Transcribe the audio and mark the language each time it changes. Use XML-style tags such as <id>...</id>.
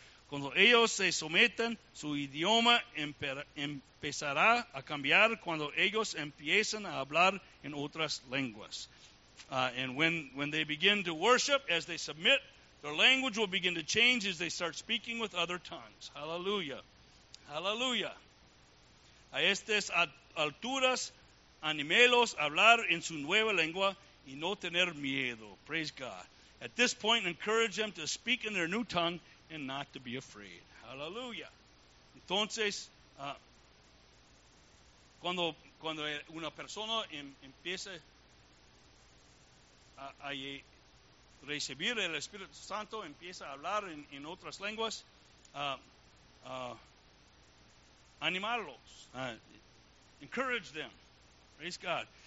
<es>Cuando ellos se sometan, su idioma empezará a cambiar cuando ellos empiezan a hablar en otras lenguas.</es> <en>And when they begin to worship, as they submit, their language will begin to change as they start speaking with other tongues. Hallelujah. Hallelujah.</en> <es>A estas alturas, animelos a hablar en su nueva lengua y no tener miedo. Praise God.</es> <en>At this point, encourage them to speak in their new tongue and not to be afraid. Hallelujah.</en> <es>Entonces, cuando una persona empieza a recibir el Espíritu Santo, empieza a hablar en otras lenguas, animarlos,</es> <en>encourage them, praise God.</en>